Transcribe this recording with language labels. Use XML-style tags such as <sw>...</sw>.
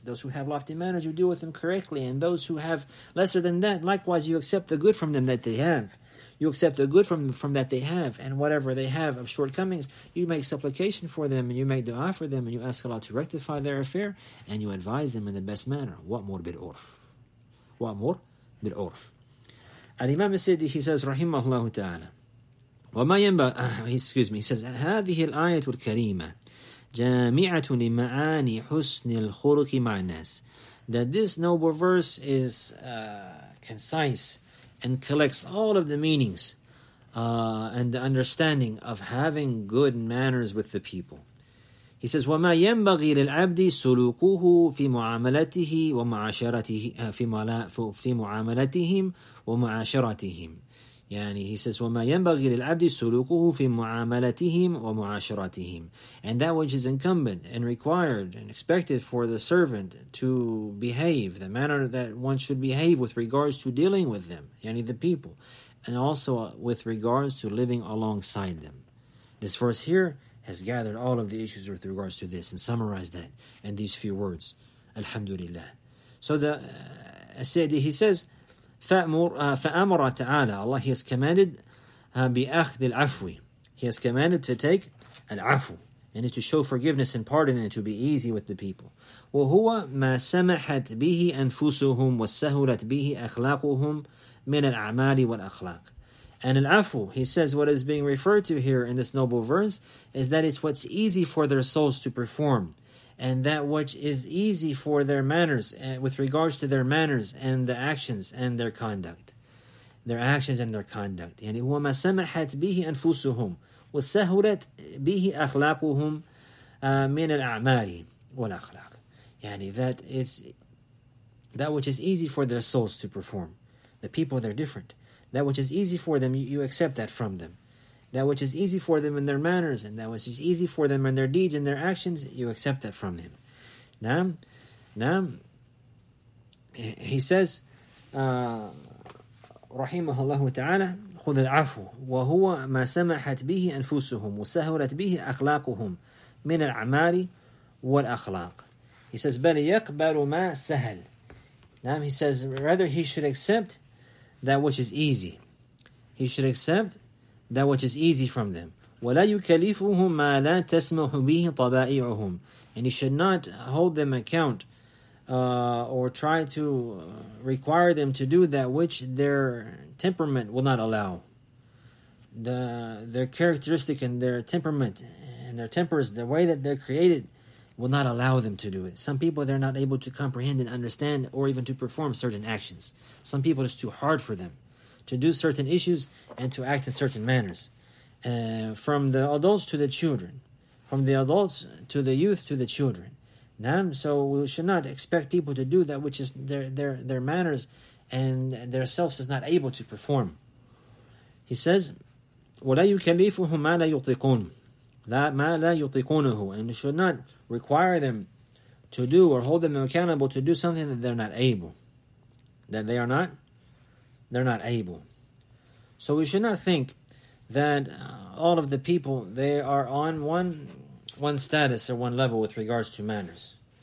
<en>Those who have lofty manners, you deal with them correctly, and those who have lesser than that, likewise, you accept the good from them that they have. You accept the good from that they have, and whatever they have of shortcomings, you make supplication for them, and you make dua for them, and you ask Allah to rectify their affair, and you advise them in the best manner.</en> <ar>وَأْمُرْ بِالْعُرْفِ. وَأْمُرْ بِالْعُرْفِ.</ar> <en>Al-Imam al-Siddi, he says, rahimahullahu ta'ala,</en> <ar>وَمَا يَنْبَى,</ar> <en>excuse me, he says,</en> <ar>هَذِهِ الْآيَةُ الْكَرِيمَةِ جَامِعَةٌ لِمَعَانِ حُسْنِ الْخُرُقِ مَعَ النَّاسِ.</ar> <en>That this noble verse is concise and collects all of the meanings and the understanding of having good manners with the people. He says,</en> <ar>وَمَا يَنْبَغِي لِلْعَبْدِ سُلُوكُهُ فِي مُعَامَلَتِهِ وَمَعَاشَرَتِهِمْ فِي مُعَامَلَتِهِمْ وَمُعَاشَرَتِهِمْ. Yani</ar> <en>he says,</en> <ar>وَمَا يَنْبَغِي لِلْعَبْدِ سُلُوكُهُ فِي مُعَامَلَتِهِمْ وَمُعَاشَرَتِهِمْ.</ar> <en>And that which is incumbent and required and expected for the servant to behave, the manner that one should behave with regards to dealing with them, yani the people, and also with regards to living alongside them. This verse here has gathered all of the issues with regards to this and summarized that in these few words, Alhamdulillah. So the Sayyidi, he says,</en> <ar>فَأَمَرَ تَعَالَى,</ar> <en>Allah, he has commanded,</en> <ar>بِأَخْذِ الْعَفْوِ,</ar> <en>he has commanded to take al-afu, and to show forgiveness and pardon, and to be easy with the people.</en> <ar>وَهُوَ مَا سَمَحَتْ بِهِ أَنفُسُهُمْ وَسَهُلَتْ بِهِ أَخْلَاقُهُمْ مِنَ الْأَعْمَالِ وَالْأَخْلَاقِ.</ar> <en>And al-afu, he says, what is being referred to here in this noble verse is that it's what's easy for their souls to perform, and that which is easy for their manners, with regards to their manners and the actions and their conduct. Their actions and their conduct.</en> <ar>And هو ما سمحت به أنفسهم وسهلت به أخلاقهم من الأعمال والأخلاق.</ar> <en>يعني that it's that which is easy for their souls to perform. The people, they're different. That which is easy for them, you accept that from them. That which is easy for them in their manners, and that which is easy for them in their deeds and their actions, you accept that from them. Now, he says,</en> <ar>rahimahullah ta'ala, خذ العفو وهو ما سمحت به أنفسهم وسهلت به أخلاقهم من الأعمال والأخلاق.</ar> <en>He says,</en> <ar>بل يقبل ما سهل.</ar> <en>Now he says, rather he should accept that which is easy. He should accept that which is easy from them.</en> <ar>وَلَا يُكَلِفُهُمْ مَا لَا تَسْمَحُ بِهِ طَبَائِعُهُمْ.</ar> <en>And he should not hold them account or try to require them to do that which their temperament will not allow. Their characteristic and their temperament and their tempers, the way that they're created, will not allow them to do it. Some people, they're not able to comprehend and understand or even to perform certain actions. Some people, it's too hard for them to do certain issues and to act in certain manners. From the adults to the children. From the adults to the youth to the children. Now, so we should not expect people to do that which is their manners and their selves is not able to perform. He says,</en> <ar>وَلَا يُكَلِّفُهُمْ مَا لَا يُطِقُونَ. مَا لَا يُطِقُونَهُ.</ar> <en>And we should not require them to do or hold them accountable to do something that they're not able. That they are not, they're not able. So we should not think that all of the people, they are on one status or one level with regards to manners.</en>